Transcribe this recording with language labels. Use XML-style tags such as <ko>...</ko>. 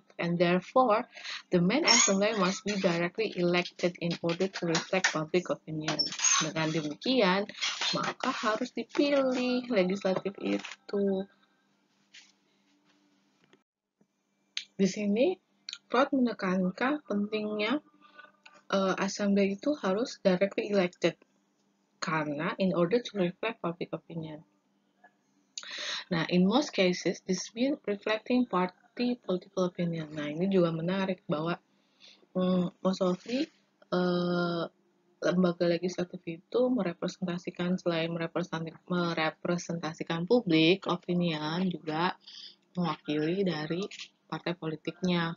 <en>And therefore, the main assembly must be directly elected in order to reflect public opinion.</en> <id>Dengan demikian, maka harus dipilih legislatif itu. Di sini, Rod menekankan pentingnya assembly itu harus</id> <en>directly elected.</en> <id>Karena</id> <en>in order to reflect public opinion. Nah, in most cases, this means reflecting party political opinion.</en> <id>Nah, ini juga menarik bahwa</id> <en>most of the</en> <id>lembaga legislatif itu merepresentasikan, selain merepresentasikan publik, opinion juga mewakili dari partai politiknya.</id>